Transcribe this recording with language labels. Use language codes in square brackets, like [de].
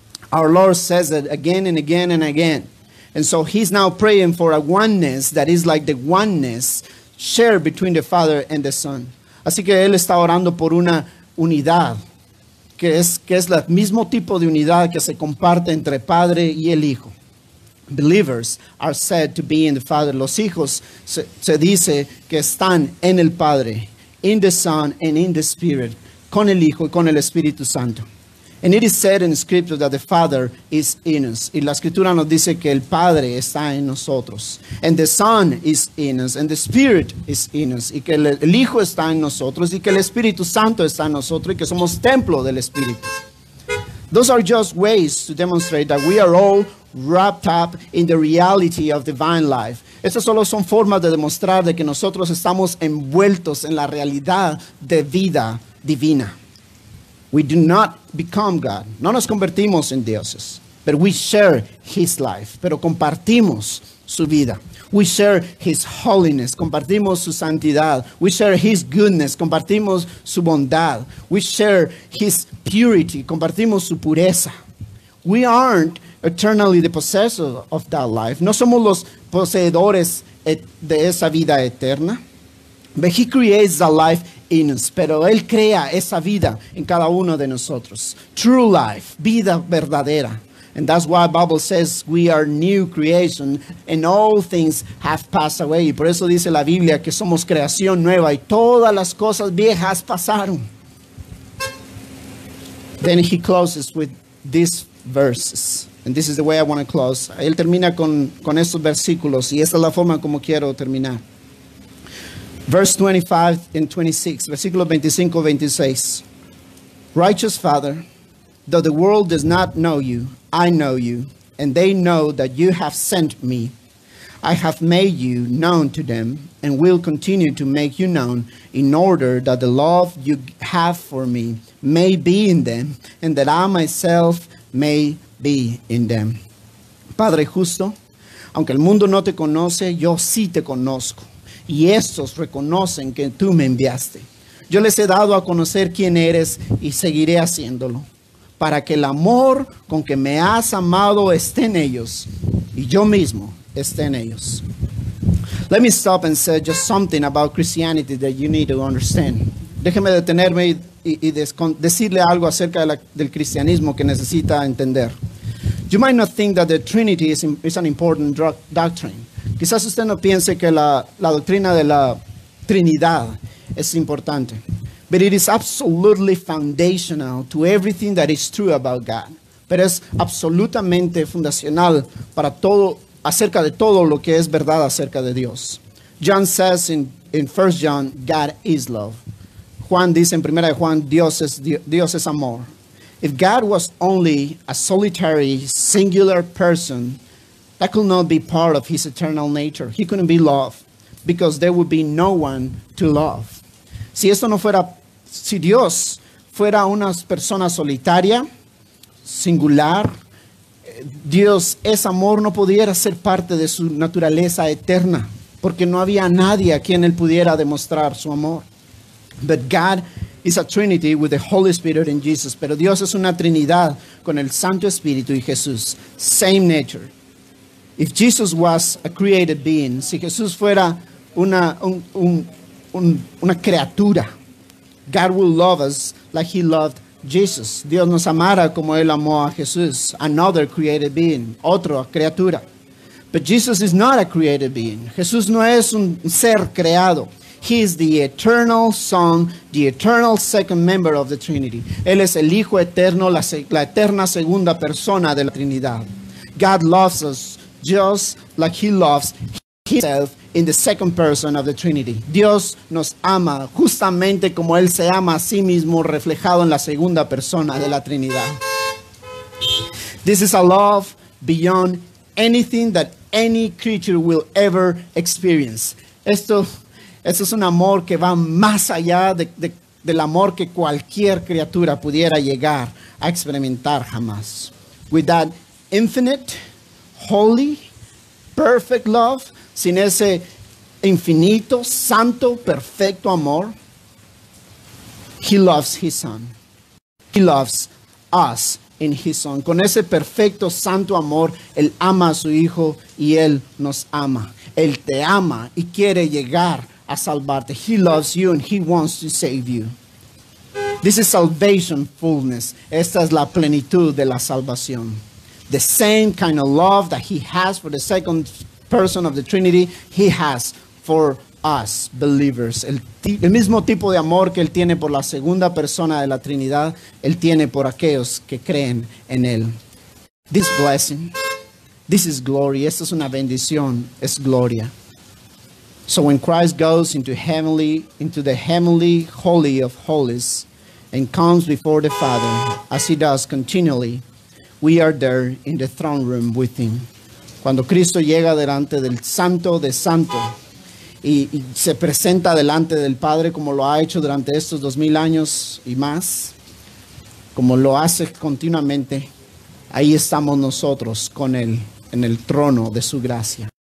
[en] Our Lord says it again and again and again. And so He's now praying for a oneness that is like the oneness shared between the Father and the Son. [es] Así que Él está orando por una unidad, que es el mismo tipo de unidad que se comparte entre Padre y el Hijo. [en] Believers are said to be in the Father. [es] Los hijos se dice que están en el Padre, [en] in the Son and in the Spirit, [es] con el Hijo y con el Espíritu Santo. [en] And it is said in Scripture that the Father is in us. [es] Y la Escritura nos dice que el Padre está en nosotros. [en] And the Son is in us. And the Spirit is in us. [es] Y que el Hijo está en nosotros. Y que el Espíritu Santo está en nosotros. Y que somos templo del Espíritu. [en] Those are just ways to demonstrate that we are all wrapped up in the reality of divine life. [es] Estas solo son formas de demostrar de que nosotros estamos envueltos en la realidad de vida divina. [en] We do not become God. [es] No nos convertimos en dioses. [en] But we share His life. [es] Pero compartimos su vida. [en] We share His holiness. [es] Compartimos su santidad. [en] We share His goodness. [es] Compartimos su bondad. [en] We share His purity. [es] Compartimos su pureza. [en] We aren't eternally the possessor of that life. [es] No somos los poseedores de esa vida eterna. [en] But He creates that life in us, [es] pero Él crea esa vida en cada uno de nosotros. [en] True life, [es] vida verdadera. [en] And that's why the Bible says we are new creation and all things have passed away. [es] Y por eso dice la Biblia que somos creación nueva y todas las cosas viejas pasaron. [en] Then He closes with these verses. And this is the way I want to close. [es] Él termina con estos versículos y esta es la forma como quiero terminar. [en] Verse 25 and 26, [es] versículo 25-26. [en] Righteous Father, though the world does not know you, I know you, and they know that you have sent me. I have made you known to them and will continue to make you known in order that the love you have for me may be in them and that I myself may be in them. [es] Padre justo, aunque el mundo no te conoce, yo sí te conozco. Y estos reconocen que tú me enviaste. Yo les he dado a conocer quién eres y seguiré haciéndolo. Para que el amor con que me has amado esté en ellos. Y yo mismo esté en ellos. [en] Let me stop and say just something about Christianity that you need to understand. [es] Déjeme detenerme y decirle algo acerca del cristianismo que necesita entender. [en] You might not think that the Trinity is an important doctrine. [es] Quizás usted no piense que la doctrina de la Trinidad es importante. [en] But it is absolutely foundational to everything that is true about God. [es] Pero es absolutamente fundacional para todo, acerca de todo lo que es verdad acerca de Dios. [en] John says in 1 John, God is love. [es] Juan dice en primera de Juan, Dios es amor. [en] If God was only a solitary, singular person, that could not be part of his eternal nature. He couldn't be love, because there would be no one to love. [es] Si esto no fuera, si Dios fuera una persona solitaria, singular, Dios es amor, no pudiera ser parte de su naturaleza eterna, porque no había nadie a quien él pudiera demostrar su amor. [en] But God is a Trinity with the Holy Spirit and Jesus. [es] Pero Dios es una Trinidad con el Santo Espíritu y Jesús. [en] Same nature. If Jesus was a created being, [es] si Jesús fuera una criatura, [en] God will love us like he loved Jesus. [es] Dios nos amara como él amó a Jesús. [en] Another created being, [es] otra criatura. [en] But Jesus is not a created being. [es] Jesús no es un ser creado. [en] He is the eternal son, the eternal second member of the Trinity. [es] Él es el Hijo Eterno, la eterna segunda persona de la Trinidad. [en] God loves us just like he loves himself in the second person of the Trinity. [es] Dios nos ama justamente como él se ama a sí mismo reflejado en la segunda persona de la Trinidad. [en] This is a love beyond anything that any creature will ever experience. [es] Esto es un amor que va más allá del amor que cualquier criatura pudiera llegar a experimentar jamás. [en] With that infinite, holy, perfect love, [es] sin ese infinito, santo, perfecto amor, [en] he loves his son. He loves us in his son. [es] Con ese perfecto, santo amor, él ama a su hijo y él nos ama. Él te ama y quiere llegar a salvarte. [en] He loves you and he wants to save you. This is salvation fullness. [es] Esta es la plenitud de la salvación. [en] The same kind of love that he has for the second person of the Trinity, he has for us believers. [es] El mismo tipo de amor que él tiene por la segunda persona de la Trinidad, él tiene por aquellos que creen en él. [en] This blessing, this is glory. [es] Esta es una bendición, es gloria. [en] So when Christ goes into the heavenly holy of holies and comes before the Father, as he does continually, we are there in the throne room with him. [es] Cuando Cristo llega delante del Santo de Santo y se presenta delante del Padre como lo ha hecho durante estos 2000 años y más, como lo hace continuamente, ahí estamos nosotros con él en el trono de su gracia.